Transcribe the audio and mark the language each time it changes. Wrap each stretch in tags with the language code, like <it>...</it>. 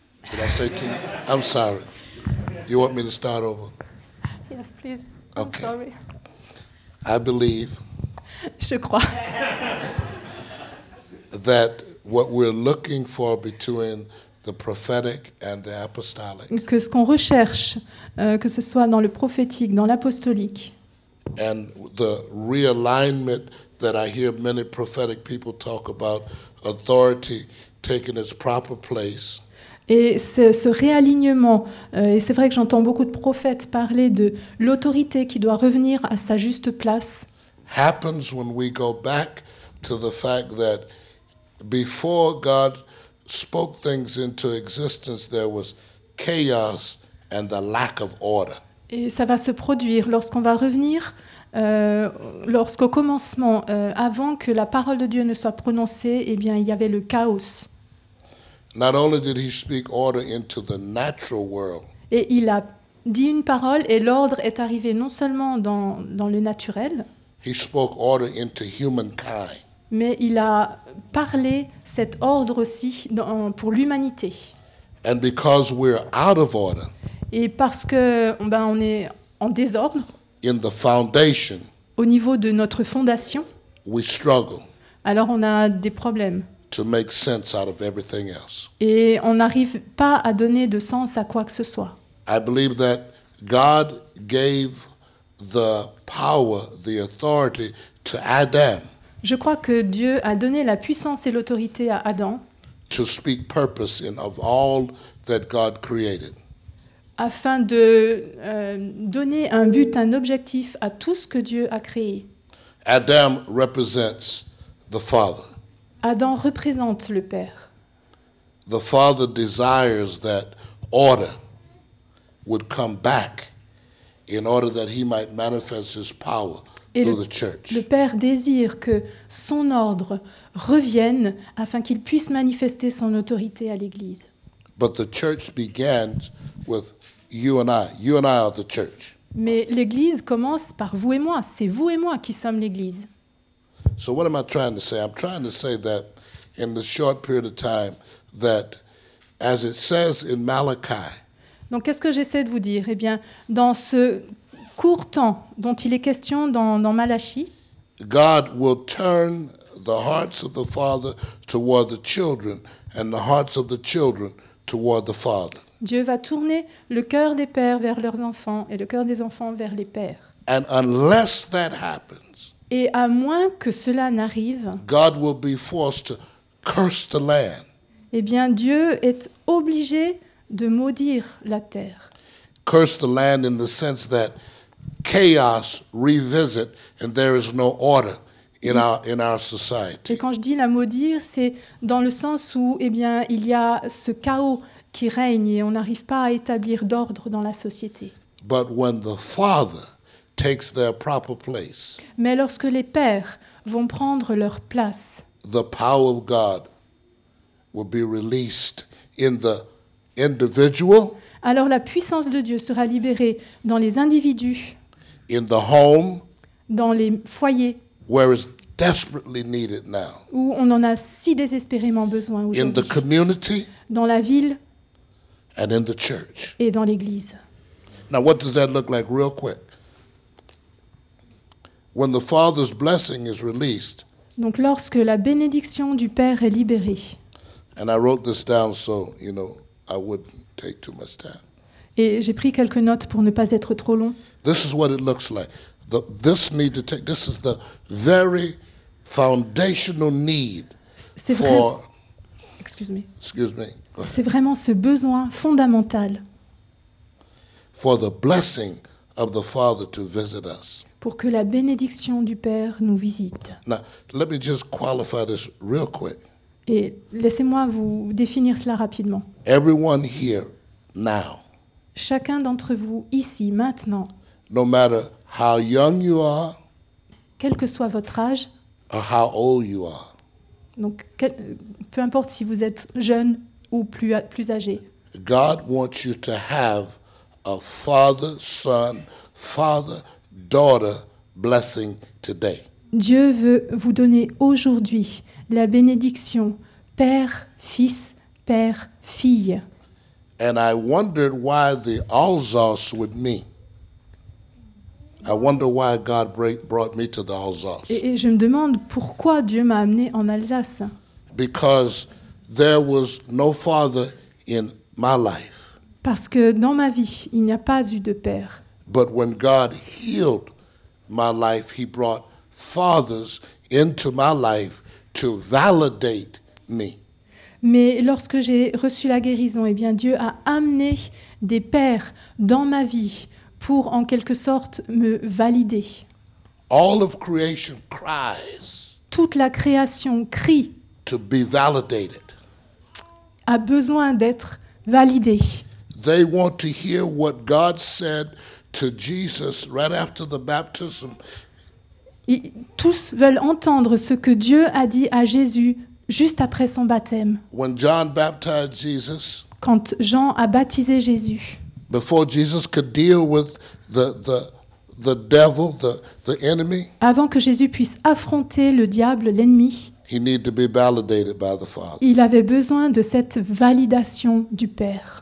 <en>Did I say too much? I'm sorry. You want me to start over? Yes, please. Okay. I'm sorry. I believe.</en> <fr>Je crois.</fr> <en>That what we're looking for between the prophetic and the apostolic.</en> <fr>Que ce qu'on recherche, que ce soit dans le prophétique, dans l'apostolique.</fr> <en>And the realignment that I hear many prophetic people talk about, authority taking its proper place.</en> <fr>Et ce réalignement, et c'est vrai que j'entends beaucoup de prophètes parler de l'autorité qui doit revenir à sa juste place.</fr> <en>Happens when we go back to the fact that before God spoke things into existence, there was chaos and the lack of order.</en> <fr>Et ça va se produire lorsqu'on va revenir, lorsqu'au commencement, avant que la parole de Dieu ne soit prononcée, eh bien, il y avait le chaos.</fr> <en>Not only did he speak order into the natural world.</en> <fr>Et il a dit une parole et l'ordre est arrivé non seulement dans le naturel.</fr> <en>He spoke order into humankind.</en> <fr>Mais il a parlé cet ordre aussi pour l'humanité.</fr> <en>And because we're out of order.</en> <fr>Et parce que on est en désordre.</fr> <en>In the foundation.</en> <fr>Au niveau de notre fondation.</fr> <en>We struggle.</en> <fr>Alors on a des problèmes.</fr> <en>To make sense out of everything else.</en> <fr>Et on n'arrive pas à donner de sens à quoi que ce soit.</fr> <en>I believe that God gave the power, the authority to Adam.</en> <fr>Je crois que Dieu a donné la puissance et l'autorité à Adam.</fr> <en>To speak purpose in of all that God created.</en> <fr>Afin de donner un but, un objectif à tout ce que Dieu a créé.</fr> <en>Adam represents the Father.</en> <fr>Adam représente le Père.</fr> <en>The Father desires that order would come back in order that he might manifest his power through the church.</en> <fr>Le Père désire que son ordre revienne afin qu'il puisse manifester son autorité à l'Église.</fr> <en>But the church begins with you and I. You and I are the church.</en> <fr>Mais l'Église commence par vous et moi. C'est vous et moi qui sommes l'Église.</fr> <en>So what am I trying to say? I'm trying to say that in the short period of time that as it says in Malachi.</en> <fr>Donc qu'est-ce que j'essaie de vous dire? Eh bien, dans ce court temps dont il est question dans Malachi,</fr> <en>God will turn the hearts of the father toward the children and the hearts of the children toward the father.</en> <fr>Dieu va tourner le cœur des pères vers leurs enfants et le cœur des enfants vers les pères.</fr> <en>And unless that happens,</en> <fr>et à moins que cela n'arrive,</fr> <en>God will be forced to curse the land.</en> <fr>Eh bien, Dieu est obligé de maudire la terre.</fr> <en>Curse the land in the sense that chaos revisit and there is no order in our society.</en> <fr>Et quand je dis la maudire, c'est dans le sens où, eh bien, il y a ce chaos qui règne et on n'arrive pas à établir d'ordre dans la société.</fr> <en>But when the father takes their proper place.</en> <fr>Mais lorsque les pères vont prendre leur place.</fr> <en>The power of God will be released in the individual.</en> <fr>Alors la puissance de Dieu sera libérée dans les individus.</fr> <en>In the home.</en> <fr>Dans les foyers.</fr> <en>Where it's desperately needed now.</en> <fr>Où on en a si désespérément besoin aujourd'hui.</fr> <en>In the community.</en> <fr>Dans la ville.</fr> <en>And in the church.</en> <fr>Et dans l'église.</fr> <en>Now what does that look like real quick? When the Father's blessing is released.</en> <fr>Donc lorsque la bénédiction du Père est libérée.</fr> <en>And I wrote this down so, you know, I wouldn't take too much time.</en> <fr>Et j'ai pris quelques notes pour ne pas être trop long.</fr> <en>This is what it looks like. This is the very foundational need.</en> <fr>C'est vraiment ce besoin fondamental.</fr> <en>For the blessing of the Father to visit us.</en> <fr>Pour que la bénédiction du Père nous visite.</fr> <en>Now, let me just qualify this real quick.</en> <fr>Et laissez-moi vous définir cela rapidement.</fr> <en>Everyone here now.</en> <fr>Chacun d'entre vous ici maintenant.</fr> <en>No matter how young you are.</en> <fr>Quel que soit votre âge.</fr> <en>Or how old you are.</en> <fr>Donc peu importe si vous êtes jeune ou plus âgé.</fr> <en>God wants you to have a father, son, father, daughter blessing today.</en> <fr>Dieu veut vous donner aujourd'hui la bénédiction père, fils, père, fille.</fr> <en>And I wondered why the Alsace with me. I wonder why God brought me to the Alsace.</en> <fr>Et je me demande pourquoi Dieu m'a amené en Alsace.</fr> <en>Because there was no father in my life.</en> <fr>Parce que dans ma vie, il n'y a pas eu de père.</fr> <en>But when God healed my life, he brought fathers into my life to validate me.</en> <fr>Mais lorsque j'ai reçu la guérison, eh bien Dieu a amené des pères dans ma vie pour en quelque sorte me valider.</fr> <en>All of creation cries.</en> <fr>Toute la création crie.</fr> <en>To be validated.</en> <fr>A besoin d'être validée.</fr> <en>They want to hear what God said to Jesus right after the baptism.</en> <fr>Tous veulent entendre ce que Dieu a dit à Jésus juste après son baptême.</fr> <en>When John baptized Jesus,</en> <fr>quand Jean a baptisé Jésus,</fr> <en>before Jesus could deal with the devil, the enemy,</en> <fr>avant que Jésus puisse affronter le diable, l'ennemi,</fr> <en>he needed to be validated by the Father.</en> <fr>Il avait besoin de cette validation du Père.</fr>